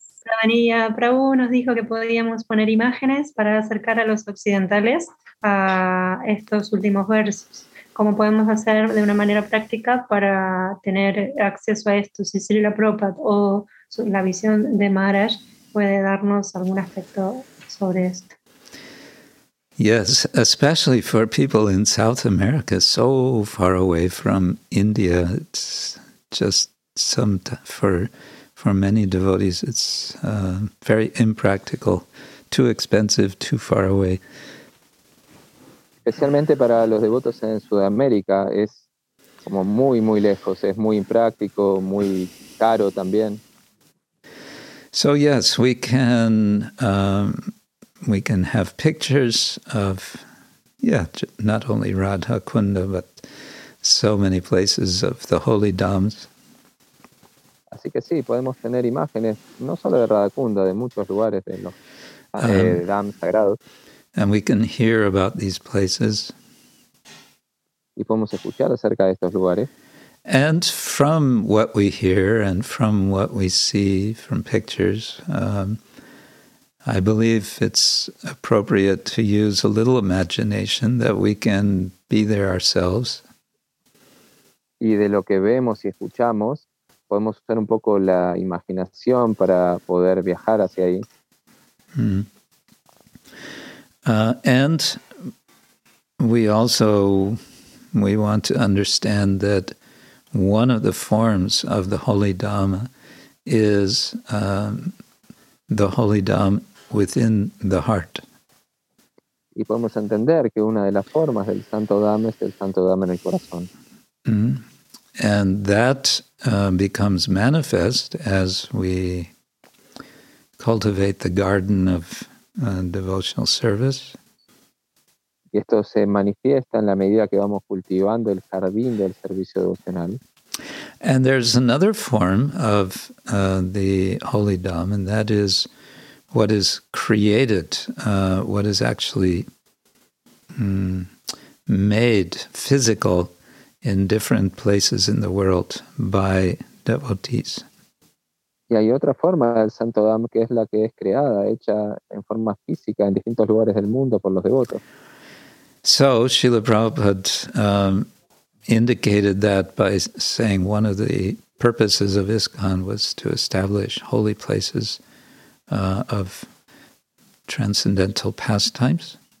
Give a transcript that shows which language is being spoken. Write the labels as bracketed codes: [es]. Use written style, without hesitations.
[es] Sravanilla Prabhu nos dijo que podíamos poner imágenes para acercar a los occidentales a estos últimos versos. ¿Cómo podemos hacer de una manera práctica para tener acceso a esto? Si Srila Prabhupada o la visión de Maharaj puede darnos algún aspecto sobre esto. [en] Yes, especially for people in South America, so far away from India, it's just for many devotees, it's very impractical, too expensive, too far away. [es] Especialmente para los devotos en Sudamérica, es como muy, muy lejos, es muy impráctico, muy caro también. [en] So yes, we can have pictures of, not only Radha Kunda, but so many places of the holy dhams. [es] Así que sí, podemos tener imágenes, no solo de Radha Kunda, de muchos lugares de los dhams sagrados. [en] And we can hear about these places. [es] Y podemos escuchar acerca de estos lugares. [en] And from what we hear and from what we see from pictures, I believe it's appropriate to use a little imagination that we can be there ourselves. [es] Y de lo que vemos y escuchamos, podemos usar un poco la imaginación para poder viajar hacia ahí. [en] And we also want to understand that one of the forms of the holy dhamma is the holy dhamma within the heart. [es] Y podemos entender que una de las formas del santo dhamma es el santo dhamma en el corazón. [en] And that becomes manifest as we cultivate the garden of devotional service. [es] Y esto se manifiesta en la medida que vamos cultivando el jardín del servicio devocional. [en] And there's another form of the holy dhamma, and that is what is created, what is actually made physical in different places in the world by devotees. [es] Y hay otra forma del santo dhamma que es la que es creada, hecha en forma física en distintos lugares del mundo por los devotos. [en] So Srila Prabhupada indicated that by saying one of the purposes of ISKCON was to establish holy places of transcendental pastimes.